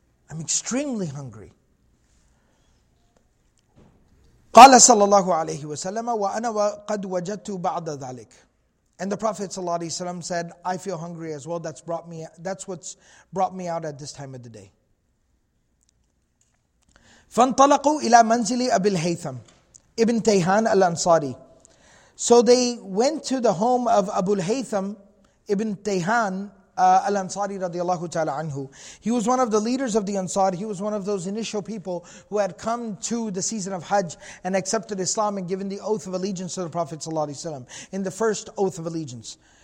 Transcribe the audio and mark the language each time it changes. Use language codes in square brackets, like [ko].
[en] I'm extremely hungry. [ar] قَالَ صَلَى اللَّهُ عَلَيْهِ وَسَلَّمَ وَأَنَا قَدْ وَجَدْتُ بَعْضَ ذَلِكَ. [en] And the Prophet ﷺ said, I feel hungry as well. That's what's brought me out at this time of the day. [ar] فانطلقوا إلى منزل أبي الهيثم ابن تيهان الأنصاري. [en] So they went to the home of Abu al-Haytham ibn Tayhan al-Ansari radiallahu ta'ala anhu. He was one of the leaders of the Ansar. He was one of those initial people who had come to the season of Hajj and accepted Islam and given the oath of allegiance to the Prophet sallallahu alayhi wa sallam in the first oath of allegiance.